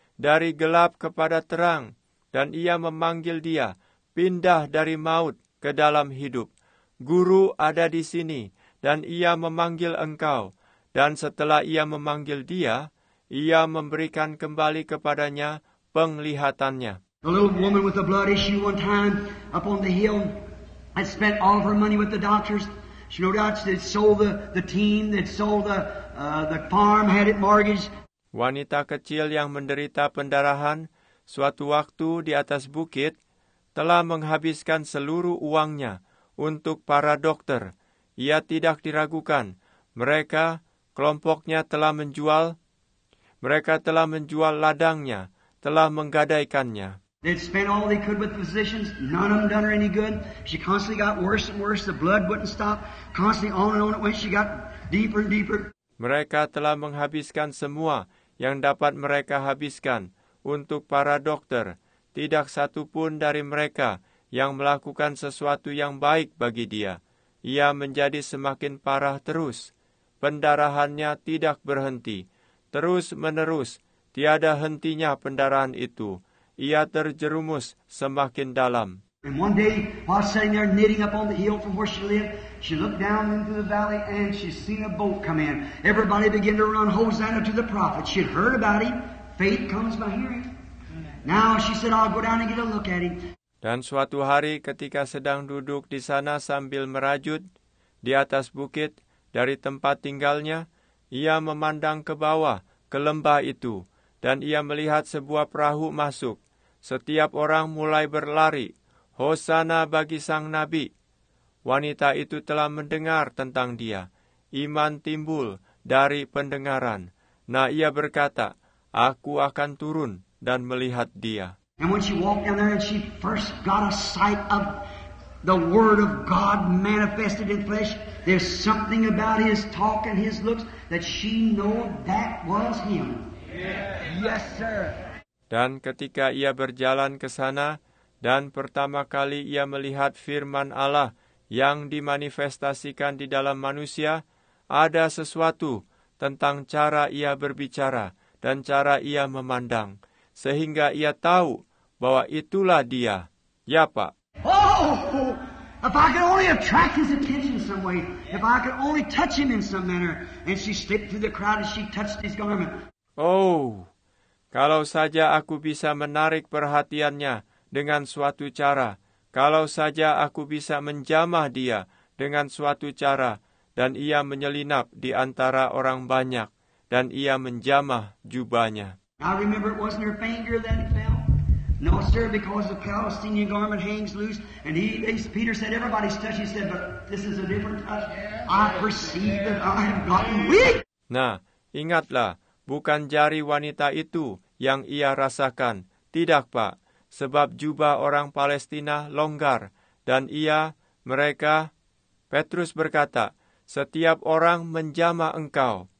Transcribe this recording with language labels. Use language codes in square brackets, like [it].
[id] Dari gelap kepada terang. Dan ia memanggil dia pindah dari maut ke dalam hidup. Guru ada di sini dan ia memanggil engkau. Dan setelah ia memanggil dia, ia memberikan kembali kepadanya penglihatannya. [en] The little woman with the blood issue one time up on the hill had spent all of her money with the doctors. She no doubt had sold the team, had sold the farm, had it mortgaged. [id] Wanita kecil yang menderita pendarahan suatu waktu di atas bukit telah menghabiskan seluruh uangnya untuk para dokter. Ia tidak diragukan. Mereka, kelompoknya telah menjual Mereka telah menjual ladangnya, telah menggadaikannya. [en] They'd spent all they could with physicians. None of them done her any good. She constantly got worse and worse. The blood wouldn't stop. Constantly on and on it went. She got deeper and deeper. [id] Mereka telah menghabiskan semua yang dapat mereka habiskan untuk para dokter. Tidak satu pun dari mereka yang melakukan sesuatu yang baik bagi dia. Ia menjadi semakin parah terus. Pendarahannya tidak berhenti. Terus menerus, tiada hentinya pendarahan itu. Ia terjerumus semakin dalam. [en] And one day, while sitting there knitting up on the hill from where she lived, she looked down into the valley and she seen a boat come in. Everybody began to run Hosanna to the prophet. She had heard about him. Faith comes by hearing. Now she said, I'll go down and get a look at him. [id] Dan suatu hari ketika sedang duduk di sana sambil merajut di atas bukit dari tempat tinggalnya, ia memandang ke bawah ke lembah itu dan ia melihat sebuah perahu masuk. Setiap orang mulai berlari. Hosana bagi sang nabi. Wanita itu telah mendengar tentang dia. Iman timbul dari pendengaran. Nah, ia berkata, aku akan turun dan melihat dia. [en] And when she walked down there and she first got a sight of the Word of God manifested in flesh, there's something about his talk and his looks that she knew that was him. Yes. Yes, sir. [id] Dan ketika ia berjalan ke sana, dan pertama kali ia melihat firman Allah yang dimanifestasikan di dalam manusia, ada sesuatu tentang cara ia berbicara dan cara ia memandang, sehingga ia tahu bahwa itulah dia. Ya, Pak. [en] Oh, if I could only attract his attention some way, if I could only touch him in some manner, and she slipped through the crowd as she touched his garment. [id] Oh, kalau saja aku bisa menarik perhatiannya dengan suatu cara, kalau saja aku bisa menjamah dia dengan suatu cara, dan ia menyelinap di antara orang banyak, dan ia menjamah jubahnya. [en] I remember it wasn't her finger that it fell. No, sir, because the Palestinian garment hangs loose, and Peter said, everybody's touched. He said, but this is a different touch. I perceive that I have gotten weak. [id] Nah, ingatlah, bukan jari wanita itu yang ia rasakan. Tidak, Pak. Sebab jubah orang Palestina longgar. Dan ia, mereka, Petrus berkata, setiap orang menjamah engkau.